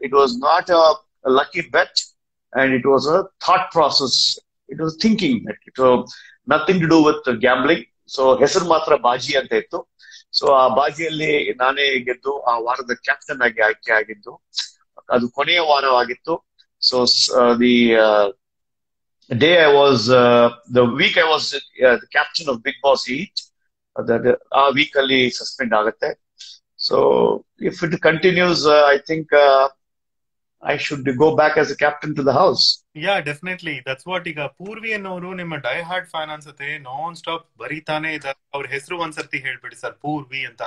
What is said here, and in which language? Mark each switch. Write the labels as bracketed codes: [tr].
[en] It was not a lucky bet and it was a thought process, it was thinking bet, it nothing to do with gambling. [kn] So ಹೆಸರು ಮಾತ್ರ ಬಾಜಿ ಅಂತ ಇತ್ತು. So ಆ ಬಾಜಿಯಲ್ಲಿ ನಾನೇ ಗೆದ್ದು ಆ ವಾರದ ಕ್ಯಾಪ್ಟನ್ ಆಗಿ ಆಯ್ಕೆ ಆಗಿದ್ದು. ಅದು ಕೊನೆಯ ವಾರವಾಗಿತ್ತು. [en] So the day I was the week I was the captain of Big Boss Heat. [kn] ಅದೇ ಆ ವೀಕ್ ಅಲ್ಲಿ ಸಸ್ಪೆಂಡ್ ಆಗುತ್ತೆ. [en] So if it continues I think I should go back as a captain to the house. Yeah definitely that's what. [kn] ಈಗ ಪೂರ್ವಿ ಅನ್ನೋರು ನಿಮ್ಮ dye hard fan ಅನ್ಸುತ್ತೆ, non stop ಬರೀತಾನೆ ಇದ್ದಾರೆ. ಅವ್ರ ಹೆಸರು ಒಂದ್ಸರ್ತಿ ಹೇಳ್ಬಿಡಿ ಸರ್, ಪೂರ್ವಿ ಅಂತ.